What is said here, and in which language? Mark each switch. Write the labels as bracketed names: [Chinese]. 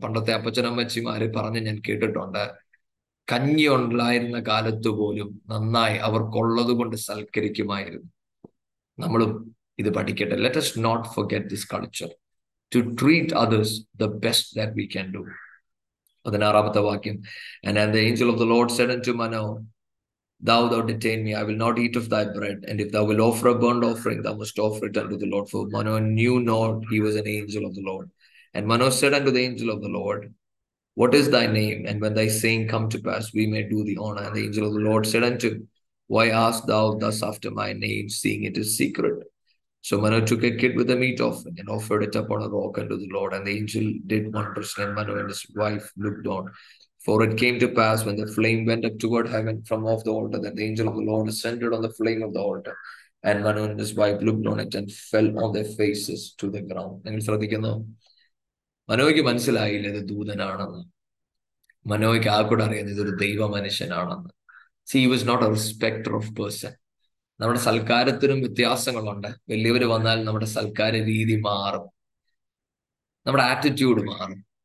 [Malayalam] പണ്ടത്തെ അപ്പച്ചനമ്മച്ചിമാർ പറഞ്ഞ് ഞാൻ കേട്ടിട്ടുണ്ട്, കഞ്ഞി ഉണ്ടായിരുന്ന കാലത്ത് പോലും നന്നായി അവർക്കുള്ളത് കൊണ്ട് സൽക്കരിക്കുമായിരുന്നു. നമ്മളും ഇത് പഠിക്കട്ടെ. [English] Let us not forget this culture to treat others the best that we can do. 16th വാക്യം, and an the angel of the Lord said unto Manoah, thou thou detain me, I will not eat of thy bread, and if thou will offer a burnt offering, thou must offer it unto the Lord, for Mano knew not he was an angel of the Lord. And Mano said unto the angel of the Lord, what is thy name, and when thy saying come to pass, we may do thee honor. And the angel of the Lord said unto him, why ask thou thus after my name, seeing it is secret? So Mano took a kid with a meat offering and offered it upon a rock unto the Lord, and the angel did wonders, and Mano and his wife looked on. For it came to pass when the flame went up toward heaven from off the altar that the angel of the Lord ascended on the flame of the altar, and Manu and his wife looked on it and fell on their faces to the ground. [Malayalam] നിങ്ങൾ ശ്രദ്ധിക്കുന്നു, മനോയ്ക്ക് മനസ്സിലായില്ല ഇത് ദൂതനാണെന്ന്. മനോയ്ക്ക് ആ കൂടെ അറിയുന്നത് ഇതൊരു ദൈവ മനുഷ്യനാണെന്ന്. [English] She was not a respecter of person. [Malayalam] നമ്മുടെ സൽക്കാരത്തിനും വ്യത്യാസങ്ങളുണ്ട്. വലിയവർ വന്നാൽ നമ്മുടെ സൽക്കാര രീതി മാറും, നമ്മുടെ ആറ്റിറ്റ്യൂഡ് മാറും.